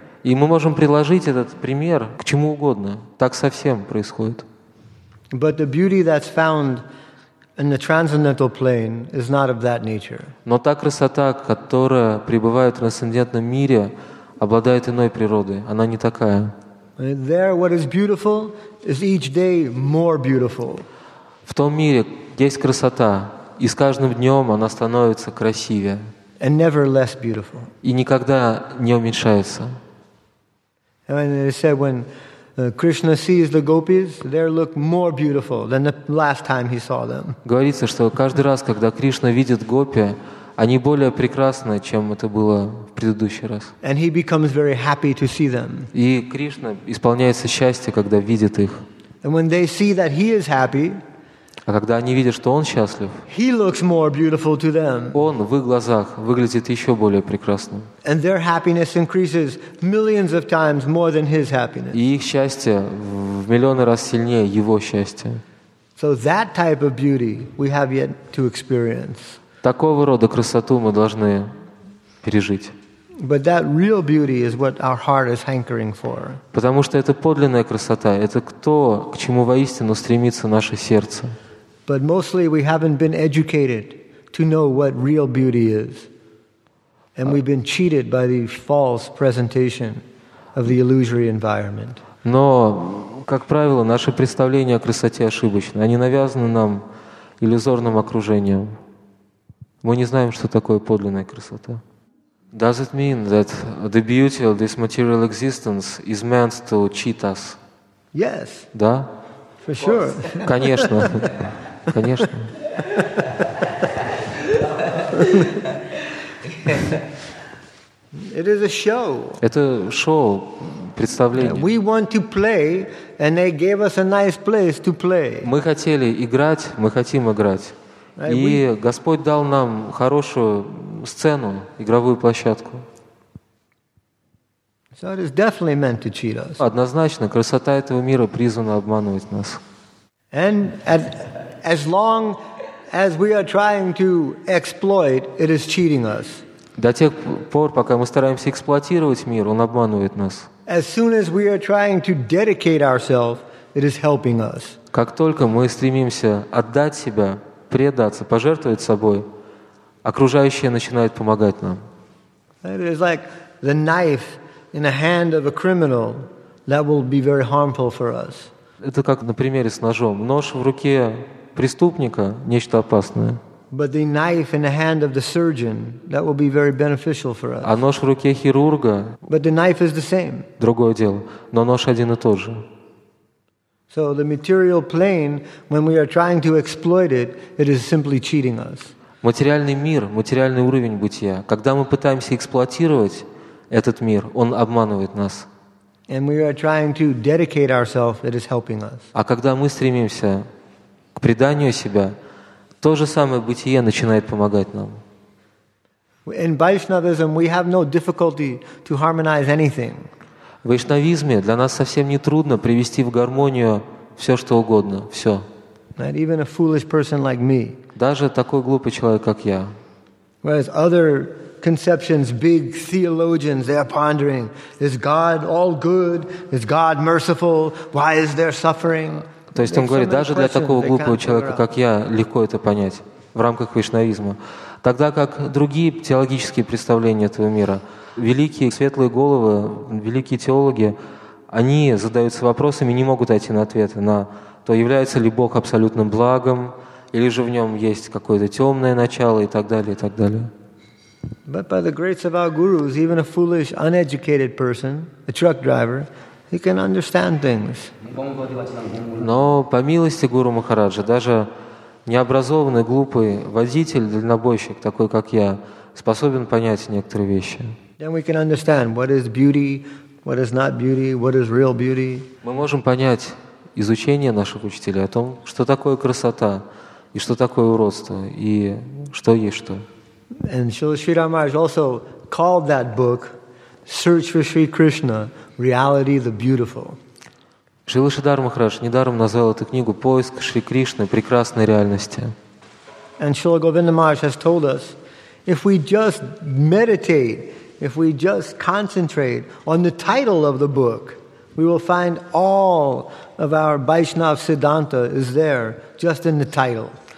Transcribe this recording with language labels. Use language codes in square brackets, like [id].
[ru] И мы можем приложить этот пример к чему угодно. Так совсем происходит. [en] But the beauty that's found in the transcendental plane is not of that nature. [ru] Но та красота, которая пребывает в трансцендентном мире, обладает иной природой. Она не такая. [en] There, what is beautiful is each day more beautiful. [ru] В том мире есть красота, и с каждым днем она становится красивее. [en] And never less beautiful. [ru] И никогда не уменьшается. [en] And they said when Krishna sees the gopis, they look more beautiful than the last time he saw them. [ru] Говорится, что каждый раз, когда Кришна видит гопи, они более прекрасны, чем это было в предыдущий раз. [en] And he becomes very happy to see them. [ru] И Кришна исполняется счастье, когда видит их. [en] And when they see that he is happy, [ru] а когда они видят, что он счастлив, [en] he looks more beautiful to them. [ru] Он в их глазах выглядит еще более прекрасным. [en] And their happiness increases millions of times more than his happiness. [ru] И их счастье в миллионы раз сильнее его счастья. [en] So that type of beauty we have yet to experience. [ru] Такого рода красоту мы должны пережить. [en] But that real beauty is what our heart is hankering for. [ru] Потому что это подлинная красота, это то, к чему воистину стремится наше сердце. [en] But mostly we haven't been educated to know what real beauty is. And we've been cheated by the false presentation of the illusory environment. [ru] Но, как правило, наши представления о красоте ошибочны. Они навязаны нам иллюзорным окружением. Мы не знаем, что такое подлинная красота. [en] Does it mean that the beauty of this material existence is meant to cheat us? Yes. [ru] Да? [en] For sure. [ru] Конечно. Конечно. [en] It is a show. [ru] Это шоу, представление. [en] We want to play, and they gave us a nice place to play. [ru] Мы хотели играть, мы хотим играть. И Господь дал нам хорошую сцену, игровую площадку. [en] So it is definitely meant to cheat us. [ru] Однозначно, красота этого мира призвана обманывать нас. [en] And as long as we are trying to exploit, it is cheating us. [ru] До тех пор, пока мы стараемся эксплуатировать мир, он обманывает нас. [en] As soon as we are trying to dedicate ourselves, it is helping us. [ru] Как только мы стремимся отдать себя, предаться, пожертвовать собой, окружающее начинает помогать нам. [en] It is like the knife in the hand of a criminal that will be very harmful for us. [ru] Это как на примере с ножом. Нож в руке преступника – нечто опасное. [en] But the knife in the hand of the surgeon that will be very beneficial for us. [ru] А нож в руке хирурга [en] – But the knife is the same. [ru] Другое дело. Но нож один и тот же. [en] So the material plane, when we are trying to exploit it, it is simply cheating us. [ru] Материальный мир, материальный уровень бытия, когда мы пытаемся эксплуатировать этот мир, он обманывает нас. [en] And we are trying to dedicate ourselves, it is helping us. [ru] А когда мы стремимся к преданию себя, то же самое бытие начинает помогать нам. [en] In Vaishnavism, we have no difficulty to harmonize anything. [ru] В вайшнавизме для нас совсем не трудно привести в гармонию все, что угодно, все. [en] Not even a foolish person like me. [ru] Даже такой глупый человек, как я. [en] Whereas other conceptions, big theologians, they are pondering: is God all good? Is God merciful? Why is there suffering? [ru] То есть он говорит, даже для такого глупого человека, как я, легко это понять в рамках вайшнавизма. Тогда как другие теологические представления этого мира. Великие светлые головы, великие теологи, они задаются вопросами и не могут найти на ответ на то, является ли Бог абсолютным благом, или же в нем есть какое-то темное начало и так далее, и так далее. [en] But by the grace of our gurus, even a foolish, uneducated person, a truck driver, he can understand things. [ru] Но по милости гуру Махараджа, даже необразованный, глупый водитель, дальнобойщик, такой как я, способен понять некоторые вещи. [en] Then we can understand what is beauty, what is not beauty, what is real beauty. [ru] Мы можем понять изучение наших учителей о том, что такое красота и что такое уродство и что есть что. [en] And Shri Ramaraj also called that book "Search for Sri Krishna: Reality, the Beautiful." [ru] Шрила Шридхар Махарадж недаром назвал эту книгу "Поиск Шри Кришны: Прекрасной реальности." [en] And Shrila Govinda Maharaj has told us, if we just meditate. If we just concentrate on the title of the book, we will find all of our Vaishnava Siddhanta is there, just in the title.